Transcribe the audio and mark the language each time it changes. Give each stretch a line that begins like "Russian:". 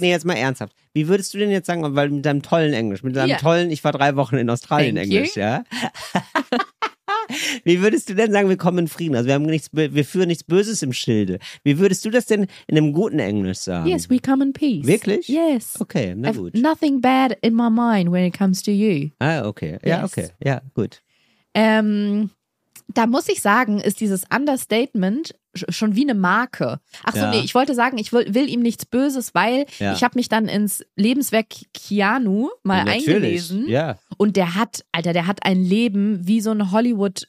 German: Nee, jetzt mal ernsthaft. Wie würdest du denn jetzt sagen, weil mit deinem tollen Englisch, mit deinem tollen, ich war 3 Wochen in Australien
English: Thank
German: Englisch,
English: you.
German: Ja. Wie würdest du denn sagen, wir kommen in Frieden? Also wir führen nichts Böses im Schilde. Wie würdest du das denn in einem guten Englisch sagen?
English: Yes, we come in peace.
German: Wirklich?
English: Yes.
German: Okay, na gut.
English: Nothing bad in my mind when it comes to you.
German: Ah, okay. Ja, okay. Ja, gut. da muss ich sagen, ist dieses Understatement schon wie eine Marke. Ach so, ja. Nee, ich wollte sagen, ich will ihm nichts Böses, weil ja. Ich habe mich dann ins Lebenswerk Keanu mal eingelesen. Ja. Und der hat, Alter, der hat ein Leben wie so ein Hollywood